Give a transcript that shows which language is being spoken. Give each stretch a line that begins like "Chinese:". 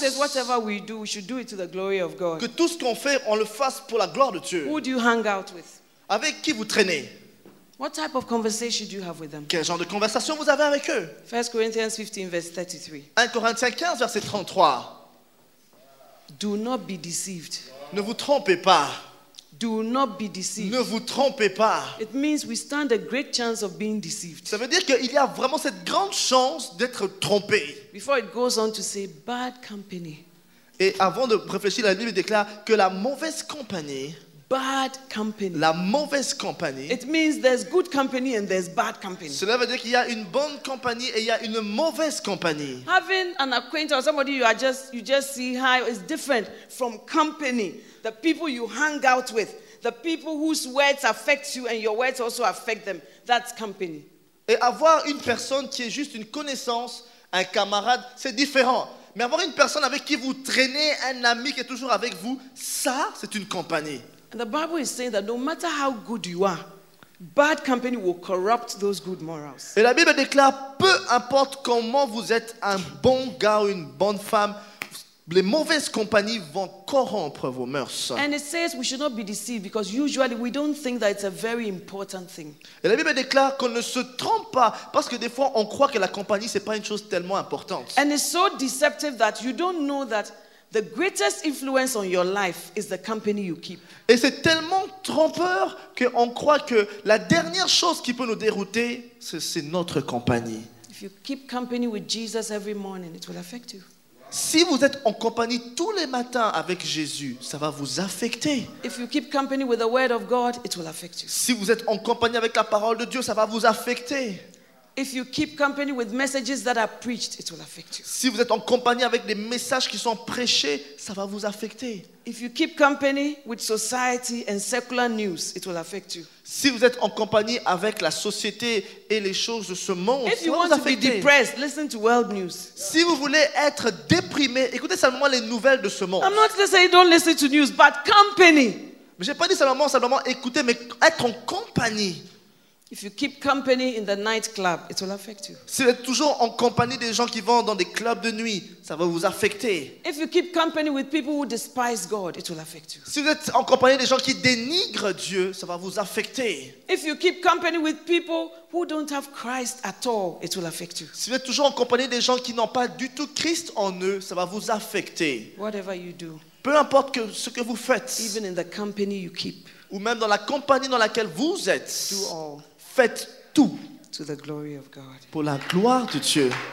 English: Bible says whatever we do, we should do it to the glory of God.
French: Que tout ce qu'on fait, on le fasse pour la gloire de Dieu.
English: Who do you hang out with?
French: Avec qui vous traînez?
English: What type of conversation do you have with them?
French: Quel genre de conversation vous avez avec eux?
English: 1 Corinthians 15 verse 33.
French: 1 Corinthiens 15 verset 33.
English: Do not be deceived.
French: Ne vous trompez pas.
English: Do not be deceived.
French: Ne vous trompez pas.
English: It means we stand a great chance of being deceived.
French: Ça veut dire qu'il y a vraiment cette grande chance d'être trompé.
English: Before it goes on to say bad company.
French: Et avant de réfléchir, la Bible déclare que la mauvaise compagnie.
English: Bad company.
French: La mauvaise compagnie.
English: It means there's good company and there's bad company.
French: Cela veut dire qu'il y a une bonne compagnie et il y a une mauvaise compagnie.
English: Having an acquaintance or somebody you just see hi is different from company. The people you hang out with, the people whose words affect you and your words also affect them. That's company.
French: Et avoir une personne qui est juste une connaissance, un camarade, c'est différent. Mais avoir une personne avec qui vous traînez, un ami qui est toujours avec vous, ça, c'est une compagnie.
English: The Bible is saying that no matter how good you are, bad company will corrupt those good morals.
French: Et la Bible déclare, peu importe comment vous êtes un bon gars ou une bonne femme, les mauvaises compagnies vont corrompre vos mœurs.
English: And it says we should not be deceived because usually we don't think that it's a very important thing.
French: Et la Bible déclare qu'on ne se trompe pas parce que des fois on croit que la compagnie c'est pas une chose tellement importante.
English: And it's so deceptive that you don't know that the greatest influence on your life is the company you keep.
French: Et c'est tellement trompeur qu'on croit que la dernière chose qui peut nous dérouter, c'est notre compagnie.
English: If you keep company with Jesus every morning, it will affect you.
French: Si vous êtes en compagnie tous les matins avec Jésus, ça va vous affecter.
English: If you keep company with the word of God, it will affect you.
French: Si vous êtes en compagnie avec la parole de Dieu, ça va vous affecter.
English: If you keep company with messages that are preached, it will affect you.
French: Si vous êtes en compagnie avec des messages qui sont prêchés, ça va vous affecter.
English: If you keep company with society and secular news, it will affect you.
French: Si vous êtes en compagnie avec la société et les choses de ce monde,
English: if
French: ça
English: you
French: va
English: want
French: vous affecter.
English: To be depressed, listen to world news.
French: Si vous voulez être déprimé, écoutez seulement les nouvelles de ce monde.
English: I'm not saying don't listen to news, but company.
French: Mais j'ai pas dit simplement écouter, mais être en compagnie.
English: If you keep company in the nightclub, it will affect you.
French: Si vous êtes toujours en compagnie des gens qui vont dans des clubs de nuit, ça va vous affecter.
English: If you keep company with people who despise God, it will affect you.
French: Si vous êtes en compagnie des gens qui dénigrent Dieu, ça va vous affecter.
English: If you keep company with people who don't have Christ at all, it will affect you.
French: Si vous êtes toujours en compagnie des gens qui n'ont pas du tout Christ en eux, ça va vous affecter.
English: Whatever you do.
French: Peu importe que ce que vous faites.
English: Even in the company you keep.
French: Ou même dans la compagnie dans laquelle vous êtes.
English: Do all.
French: Faites tout
English: to the glory of God.
French: Pour la gloire de Dieu.